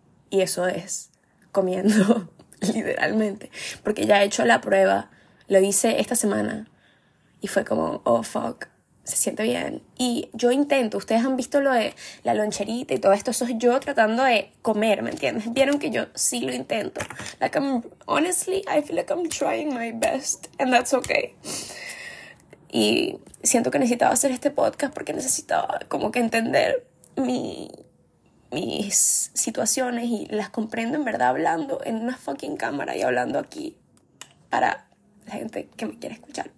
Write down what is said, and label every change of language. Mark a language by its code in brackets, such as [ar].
[es] Y eso es comiendo, literalmente. Porque ya he hecho la prueba, lo hice esta semana. Y fue como, [en] oh fuck. [es] Se siente bien. Y yo intento. Ustedes han visto lo de la loncherita y todo esto. Eso es yo tratando de comer, ¿me entiendes? Vieron que yo sí lo intento. [en] Like I'm, honestly, I feel like I'm trying my best. And that's okay. [es] Y siento que necesitaba hacer este podcast porque necesitaba como que entender mis situaciones. Y las comprendo en verdad hablando en una fucking cámara y hablando aquí para la gente que me quiere escuchar.